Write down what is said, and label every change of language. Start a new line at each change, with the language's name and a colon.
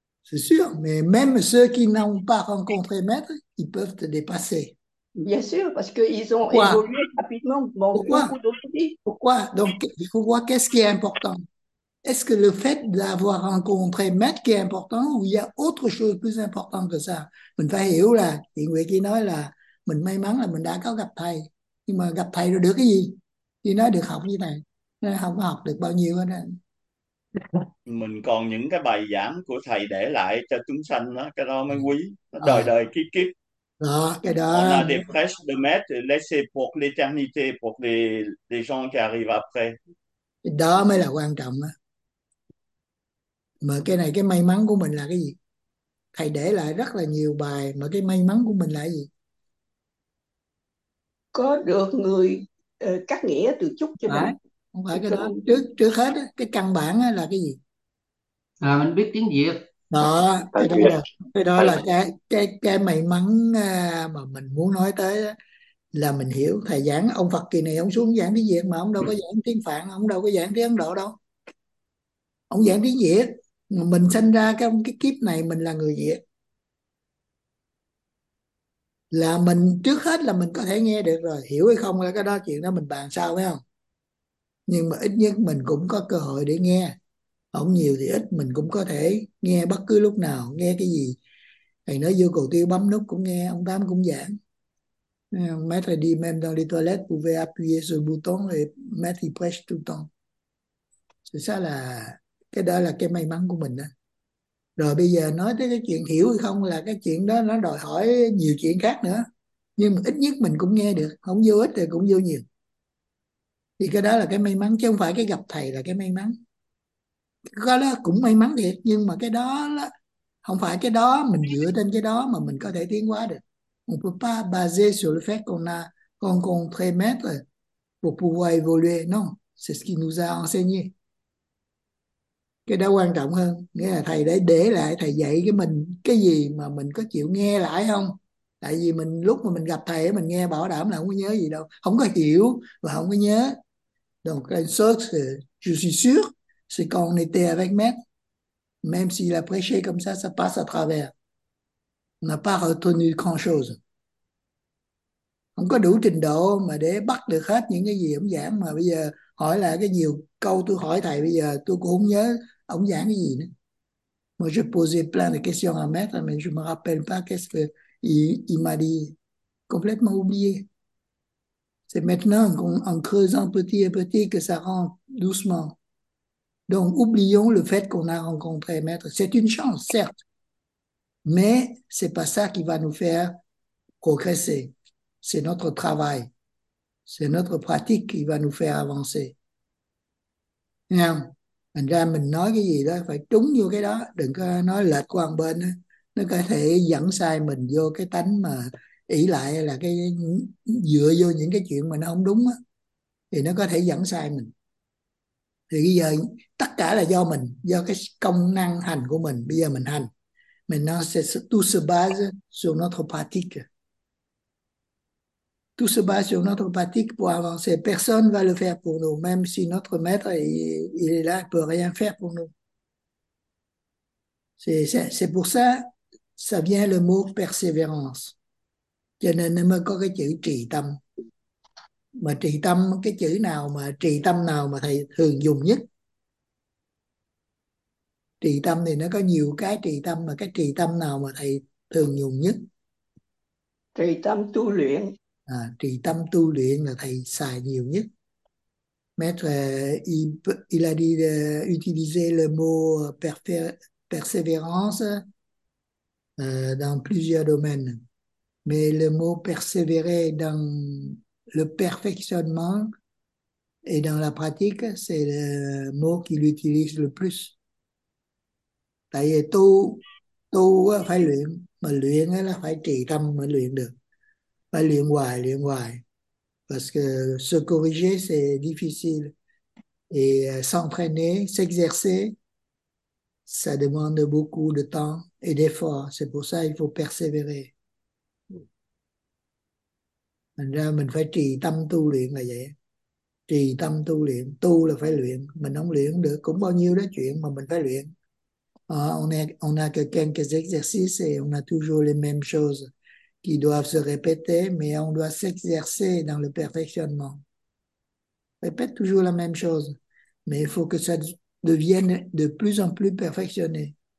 French: C'est sûr, mais même ceux qui n'ont pas rencontré Maître, ils peuvent te dépasser. Bien sûr, parce qu'ils ont Pourquoi? évolué rapidement dans beaucoup Pourquoi? d'autres vies. Pourquoi? Donc, il faut voir qu'est-ce qui est important. Est-ce que le fait d'avoir rencontré Maître qui est important ou il y a autre chose plus importante que ça?
Vietnamese: Mình phải hiểu là, thì người kia nói là mình may mắn là mình đã có gặp thầy. Nhưng mà gặp thầy rồi được cái gì? Thì nó được học như này. Nó không có học được bao nhiêu hết. Mình còn những cái bài giảng của thầy để lại cho chúng sanh đó, cái đó mới quý, nó đời À. đời kiếp Đó, cái kiếp. đó
French: On a des preces de maître laissées pour l'éternité, pour les gens qui arrivent après.
Vietnamese: mới là quan trọng á. Mà cái này, cái may mắn của mình là cái gì? Thầy để lại rất là nhiều bài, mà cái may mắn của mình là cái gì? Có được người cắt nghĩa từ chúc cho Phải, mình không phải thì cái cho đó. ông. Trước trước hết đó, cái căn bản đó là cái gì? À, mình biết tiếng Việt. Đó, Tiếng Việt. cái đó là cái may mắn mà mình muốn nói tới đó, là mình hiểu thầy giảng ông Phật kỳ này ông xuống giảng tiếng Việt mà ông đâu có giảng tiếng Phạn, ông đâu có giảng tiếng Ấn Độ đâu. Ông giảng tiếng Việt, mình sinh ra cái kiếp này mình là người Việt. Là mình trước hết là mình có thể nghe được rồi, hiểu hay không là cái đó chuyện đó mình bàn sau phải không? Nhưng mà ít nhất mình cũng có cơ hội để nghe. Không nhiều thì ít, mình cũng có thể nghe bất cứ lúc nào, nghe cái gì. Thầy nói vô cầu tiêu bấm nút cũng nghe, ông Tám cũng giảng.
French: Maître dit même dans les toilettes, vous pouvez appuyer sur le bouton et maître il prêche tout le temps. C'est ça là
Vietnamese: cái đó là cái may mắn của mình đó. Rồi bây giờ nói tới cái chuyện hiểu hay không là cái chuyện đó nó đòi hỏi nhiều chuyện khác nữa. Nhưng mà ít nhất mình cũng nghe được, không vô ít thì cũng vô nhiều. Thì cái đó là cái may mắn chứ không phải cái gặp thầy là cái may mắn. Cái đó cũng may mắn thiệt nhưng mà cái đó là, không phải cái đó mình dựa trên cái đó mà mình có thể tiến hóa được.
French: On peut pas baser sur le fait qu'on a rencontré maître pour pouvoir évoluer. Non, c'est ce qu'il nous a enseigné.
Vietnamese: Cái đó quan trọng hơn. Nghĩa là thầy để lại, thầy dạy cái mình cái gì mà mình có chịu nghe lại không? Tại vì mình lúc mà mình gặp thầy mình nghe bảo đảm là không có nhớ gì đâu. Không có hiểu và không có nhớ.
French: Donc, là sûr, je suis sûr, c'est quand on était avec maître. Même s'il a prêché comme ça passe à travers. N'a pas retenu grand chose.
Vietnamese: Không có đủ trình độ mà để bắt được hết những cái gì ông giảng mà bây giờ hỏi lại cái nhiều câu tôi hỏi thầy bây giờ tôi cũng không nhớ ông giảng cái gì nữa.
French: Moi je posais plein de questions à maître mais je me rappelle pas qu'est-ce qu'il m'a dit. Complètement oublié. C'est maintenant en creusant petit à petit que ça rentre doucement. Donc oublions le fait qu'on a rencontré maître. C'est une chance, certes. Mais c'est pas ça qui va nous faire progresser. C'est notre travail. C'est notre pratique qui va nous faire avancer.
Vietnamese: Thành ra mình nói cái gì đó phải trúng vô cái đó. Đừng có nói lệch qua một bên. Nó có thể dẫn sai mình vô cái tánh mà ỷ lại là cái dựa vô những cái chuyện mà nó không đúng đó. Thì nó có thể dẫn sai mình. Thì bây giờ tất cả là do mình, do cái công năng hành của mình. Bây giờ mình hành.
French: Maintenant, c'est tout se base sur notre pratique. Tout se base sur notre pratique pour avancer. Personne ne va le faire pour nous, même si notre maître, il est là, il peut rien faire pour nous. C'est pour ça, ça vient le mot persévérance.
Vietnamese: Cho nên nó mới có cái chữ trì tâm. Mà trì tâm, cái chữ nào mà trì tâm nào mà thầy thường dùng nhất? Trì tâm thì nó có nhiều cái trì tâm, mà cái trì tâm nào mà thầy thường dùng nhất? Trì tâm tu luyện. À, trì tâm tu luyện là thầy xài nhiều nhất.
French: Maître, il a dit d'utiliser le mot persévérance dans plusieurs domaines. Mais le mot persévérer dans le perfectionnement et dans la pratique, c'est le mot qu'il utilise le plus.
Vietnamese: Tại vì tu, tu phải luyện, mà luyện là phải trì tâm mới luyện được. Phải luyện hoài,
French: parce que se corriger c'est difficile et s'entraîner, s'exercer, ça demande beaucoup de temps et d'efforts. C'est pour ça qu'il faut persévérer.
Vietnamese: Thành ra mình phải trì tâm tu luyện là vậy. Trì tâm tu luyện, tu là phải luyện. Mình không luyện được cũng bao nhiêu đó chuyện mà mình phải luyện.
French: On a que quelques exercices et on a toujours les mêmes choses qui doivent se répéter, mais on doit s'exercer dans le perfectionnement. Répète toujours la même chose, mais il faut que ça devienne de plus en plus perfectionné.